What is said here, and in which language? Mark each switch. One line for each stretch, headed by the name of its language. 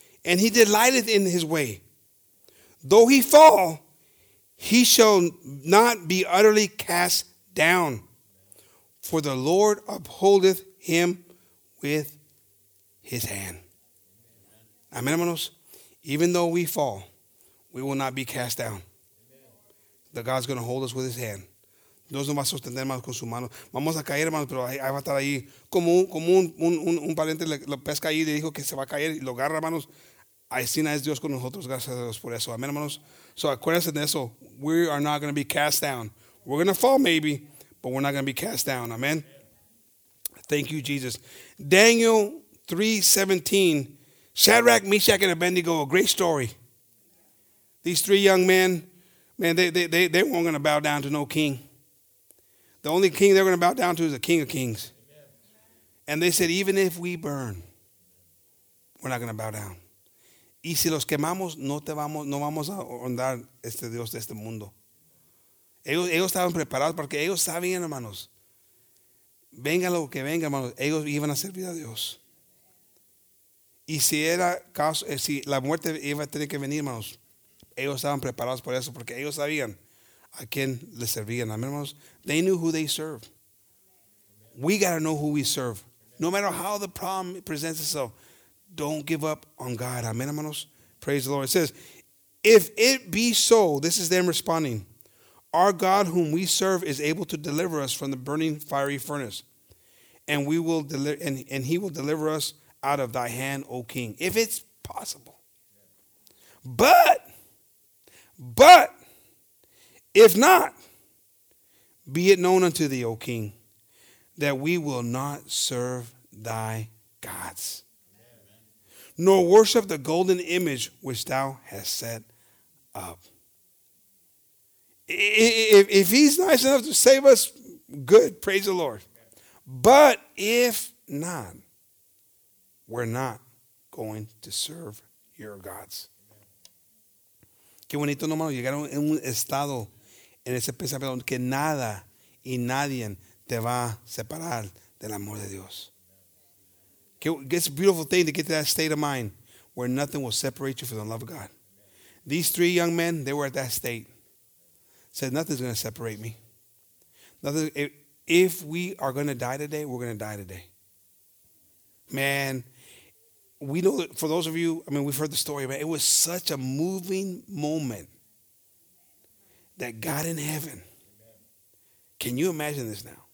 English: And he delighteth in his way. Though he fall, he shall not be utterly cast down. For the Lord upholdeth him with his hand. Amen, hermanos. Even though we fall, we will not be cast down. The God's going to hold us with his hand.
Spanish: Dios nos va a sostener más con su mano. Vamos a caer, hermanos, pero ahí va a estar ahí. Como un pariente lo pesca ahí y le dijo que se va a caer y lo agarra, hermanos. Así es Dios con nosotros, gracias a Dios por eso. Amén, hermanos. So acuérdense de eso.
English: We are not going to be cast down. We're going to fall maybe, but we're not going to be cast down. Amén. Thank you, Jesus. Daniel 3:17. Shadrach, Meshach, and Abednego. A great story. These three young men, man, they weren't going to bow down to no king. The only king they're going to bow down to is the King of Kings. And they said, even if we burn, we're not going to bow down.
Spanish: Y si los quemamos, no vamos a honrar este Dios de este mundo. Ellos estaban preparados porque ellos sabían, hermanos. Venga lo que venga, hermanos. Ellos iban a servir a Dios. Y si era caso, si la muerte iba a tener que venir, hermanos, ellos estaban preparados por eso porque ellos sabían a quién le servían.
English: Amén, hermanos. They knew who they serve. We got to know who we serve. No matter how the problem presents itself, don't give up on God. Amen, hermanos. Praise the Lord. It says, if it be so, this is them responding, our God whom we serve is able to deliver us from the burning fiery furnace, and we will and he will deliver us out of thy hand, O King, if it's possible. But, if not, be it known unto thee, O King, that we will not serve thy gods, nor worship the golden image which thou hast set up. If he's nice enough to save us, good, praise the Lord. But if not, we're not going to serve your gods.
Spanish: Qué bonito, no, mano, llegar a un estado en ese pensamiento que nada y nadie te va a separar del amor de Dios.
English: It's a beautiful thing to get to that state of mind where nothing will separate you from the love of God. Amen. These three young men, they were at that state. Said, nothing's going to separate me. Nothing. If we are going to die today, we're going to die today. Man, we know that for those of you, I mean, we've heard the story, but it was such a moving moment that God in heaven, amen. Can you imagine this now?